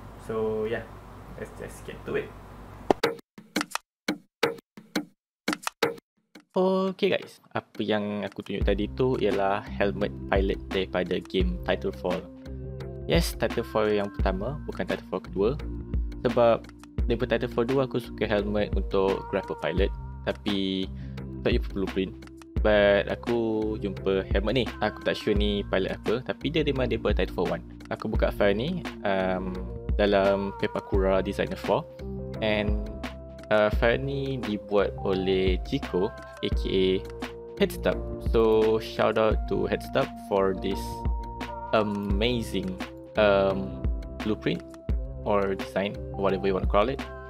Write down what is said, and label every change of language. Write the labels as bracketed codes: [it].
[en] So yeah, let's just get to it. [ms] Okay guys, apa yang aku tunjuk tadi tu ialah helmet pilot daripada game Titanfall. Yes, Titanfall yang pertama, bukan Titanfall kedua. Sebab daripada Titanfall 2 aku suka helmet untuk grapple pilot, tapi tak jumpa blueprint. But aku jumpa helmet ni, aku tak sure ni pilot apa, tapi dia memang daripada Titanfall 1. Aku buka file ni dalam Papakura Designer 4, and file ni dibuat oleh Chico aka Headstub. [en] So shout out to Headstub for this amazing blueprint or design, whatever you want to call it.